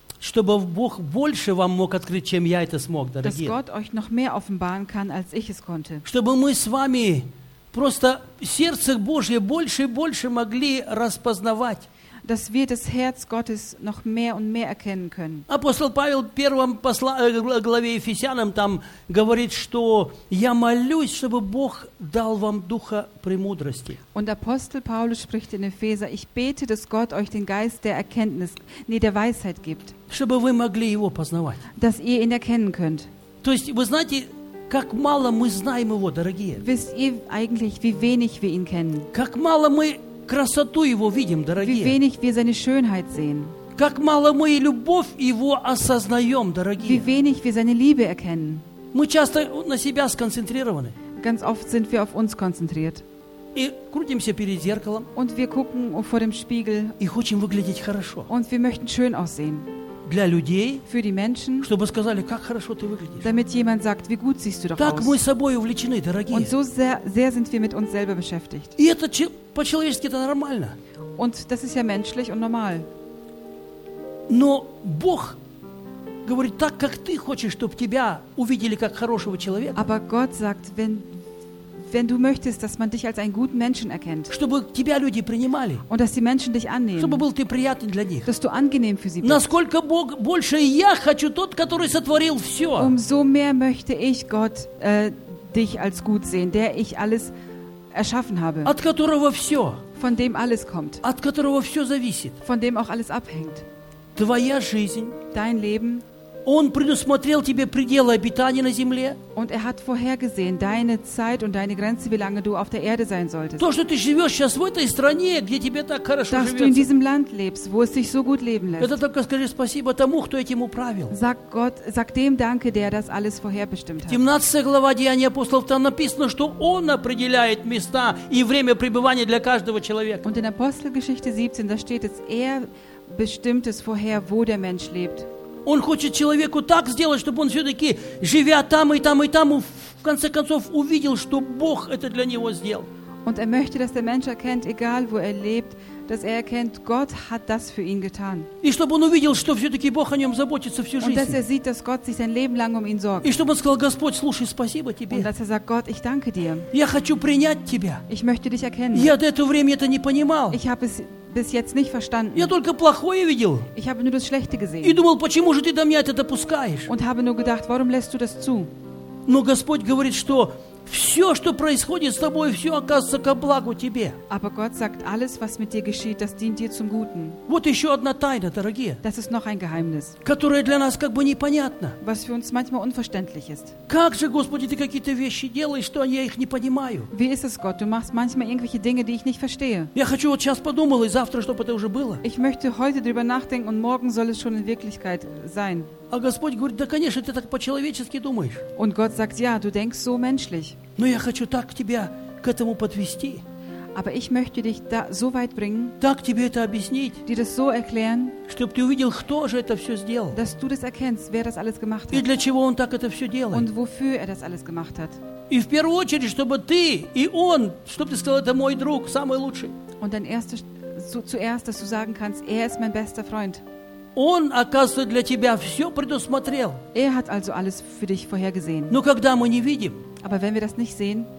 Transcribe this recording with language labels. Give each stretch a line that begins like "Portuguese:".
Russian: Чтобы Бог больше вам мог открыть, чем я это смог, дорогие.
German: Dass Gott euch noch mehr offenbaren kann, als ich es konnte.
Russian: Чтобы мы с вами просто сердце Божье больше и больше могли распознавать.
German: Dass wir das Herz Gottes noch mehr und mehr erkennen können.
Russian: Апостол Павел в первом главе Ефесянам там говорит, что я молюсь, чтобы Бог дал вам духа премудрости.
German: Und Apostel Paulus spricht in Epheser, ich bete, dass Gott euch den Geist der Erkenntnis, nee, der Weisheit gibt.
Russian: Чтобы вы могли его познавать.
German: Dass ihr ihn erkennen könnt.
Russian: То есть вы знаете, как мало мы знаем его, дорогие.
German: Wisst ihr eigentlich, wie wenig wir ihn kennen?
Russian: Как мало мы красоту его видим, дорогие.
German: Wie wenig wir seine Schönheit sehen.
Russian: Как мало мы любовь его осознаем, дорогие.
German: Wie wenig wir seine Liebe erkennen.
Russian: Мы часто на себя сконцентрированы.
German: Ganz oft sind wir auf uns konzentriert.
Russian: И крутимся перед зеркалом.
German: Und wir gucken vor dem Spiegel.
Russian: И хотим выглядеть хорошо.
German: Und wir möchten schön aussehen.
Russian: Для людей.
German: Für die Menschen.
Russian: Чтобы сказали, как хорошо ты выглядишь.
German: Damit jemand sagt, wie gut siehst du doch
Russian: так
German: aus.
Russian: Так мы собой увлечены, дорогие.
German: Und so sehr sind wir mit uns selber beschäftigt.
Russian: И это по-человечески это нормально.
German: Und das ist ja menschlich und normal.
Russian: Но Бог говорит так, как ты хочешь, чтобы тебя увидели как хорошего человека.
German: Aber Gott sagt, wenn du möchtest, dass man dich als einen guten Menschen erkennt.
Russian: Чтобы тебя люди принимали.
German: Und dass die Menschen dich annehmen.
Russian: Чтобы был ты приятен для них.
German: Dass du angenehm für sie bist.
Russian: Насколько Бог больше я хочу тот, который сотворил все.
German: Umso mehr möchte ich Gott dich als gut sehen, der ich alles erschaffen habe.
Russian: От которого все.
German: Von dem alles kommt.
Russian: От которого все зависит.
German: Von dem auch alles abhängt.
Russian: Твоя жизнь.
German: Dein Leben.
Russian: Он предусмотрел тебе пределы обитания на земле.
German: Und er hat vorhergesehen deine Zeit und deine Grenze, wie lange du auf der Erde sein solltest.
Russian: То, что ты живешь сейчас в этой стране, где тебе так хорошо живется.
German: Dass du in diesem Land lebst, wo es sich so gut leben lässt.
Russian: Это только скажи спасибо тому, кто этим управил.
German: Sag dem Danke, der das alles vorherbestimmt hat.
Russian: 17 глава Деяния апостолов там написано, что Он определяет места и время пребывания для каждого человека.
German: Und in Apostelgeschichte 17, da steht es, er bestimmt es vorher, wo der Mensch lebt.
Russian: Он хочет человеку так сделать, чтобы он все-таки, живя там и там и там, в конце концов увидел, что Бог это для него сделал.
German: Und er möchte, dass der Mensch erkennt, egal wo er lebt, dass er erkennt, Gott hat das für ihn getan.
Russian: И чтобы он увидел, что все-таки Бог о нем заботится всю жизнь.
German: Und dass er sieht, dass Gott sich sein Leben lang um ihn sorgt.
Russian: И чтобы он сказал, Господь, слушай, спасибо тебе.
German: Und dass er sagt, Gott, ich danke dir.
Russian: Я хочу принять тебя.
German: Ich möchte dich erkennen.
Russian: Я до этого времени это не понимал.
German: Ich habe es bis jetzt nicht verstanden.
Russian: Я только плохое видел.
German: Ich habe nur das Schlechte gesehen.
Russian: И думал, почему же ты до меня это допускаешь?
German: Und habe nur gedacht, warum lässt du das zu?
Russian: Но Господь говорит, что все, что происходит с тобой, все оказывается ко благу тебе.
German: Aber Gott sagt, alles, was mit dir geschieht, das dient dir zum Guten.
Russian: Вот еще одна тайна, дорогие.
German: Das ist noch ein Geheimnis.
Russian: Которое для нас как бы непонятно.
German: Was für uns manchmal unverständlich ist.
Russian: Как же, Господи, ты какие-то вещи делаешь, что я их не понимаю?
German: Wie ist es, Gott? Du machst manchmal irgendwelche Dinge, die ich nicht verstehe.
Russian: Я хочу вот сейчас подумал и завтра, чтобы это уже было.
German: Ich möchte heute darüber nachdenken und morgen soll es schon in Wirklichkeit sein.
Russian: А Господь говорит, да, конечно, ты так по-человечески думаешь.
German: Und Gott sagt, ja, du denkst so menschlich.
Russian: Но я хочу так тебя к этому подвести.
German: Aber ich möchte dich da so weit bringen.
Russian: Так тебе это объяснить.
German: Dir das so erklären.
Russian: Чтобы ты увидел, кто же это все сделал.
German: Dass du das erkennst, wer das alles gemacht hat.
Russian: И для чего он так это все делает.
German: Und wofür er das alles gemacht hat.
Russian: И в первую очередь, чтобы ты и он, чтобы ты сказал, это мой друг, самый лучший.
German: Und dann erst, zuerst, dass du sagen kannst, er ist mein bester Freund.
Russian: Он, оказывается, для тебя все предусмотрел.
German: Er hat also alles für dich vorhergesehen.
Russian: Но когда мы не видим,
German: aber wenn wir das nicht sehen,